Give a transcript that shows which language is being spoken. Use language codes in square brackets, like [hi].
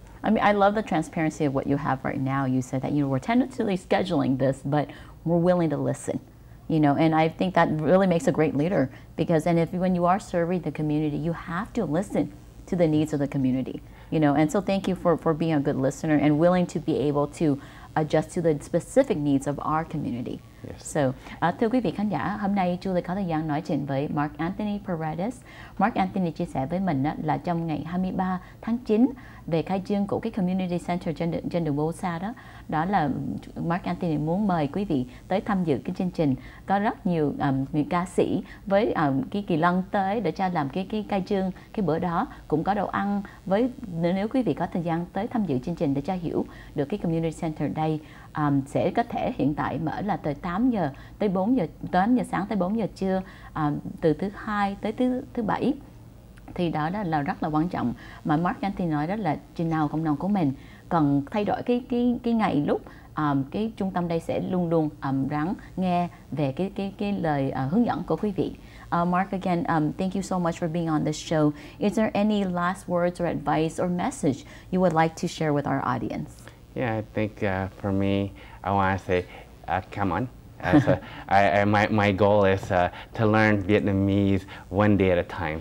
[en] I mean, I love the transparency of what you have right now. You said that, you know, we're tentatively scheduling this, but we're willing to listen. You know, and I think that really makes a great leader, because, and if when you are serving the community, you have to listen to the needs of the community. You know, and so thank you for being a good listener and willing to be able to adjust to the specific needs of our community. Yes. So, [vi] thưa quý vị khán giả, hôm nay Julie có thời gian nói chuyện với Mark Anthony Paredes. Mark Anthony chia sẻ với mình là trong ngày 23 tháng 9 về khai trương của cái Community Center Gender Bosa đó. Đó là Mark Anthony muốn mời quý vị tới tham dự cái chương trình. Có rất nhiều người ca sĩ với cái kỳ lân tới để cho làm cái khai trương cái bữa đó. Cũng có đồ ăn với nếu quý vị có thời gian tới tham dự chương trình để cho hiểu được cái Community Center đây. Sẽ có thể hiện tại mở là từ 8 giờ sáng tới 4 giờ trưa từ thứ hai tới thứ bảy thì đó là rất là quan trọng mà Mark Anthony nói đó là chừng nào cộng đồng của mình cần thay đổi cái ngày lúc cái trung tâm đây sẽ luôn luôn lắng nghe về cái lời hướng dẫn của quý vị. [en] Mark, again, thank you so much for being on this show. Is there any last words or advice or message you would like to share with our audience? Yeah, I think for me, I want to say, come on. My goal is to learn Vietnamese one day at a time.